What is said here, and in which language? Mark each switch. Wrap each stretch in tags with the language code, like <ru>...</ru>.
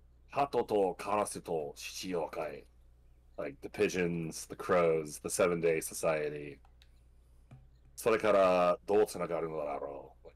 <ja>鳩とカラスと獅子妖怪。</ja> <en>Like the pigeons, the crows, the seven-day society.</en> <ja>それからどうつながるのだろう?</ja>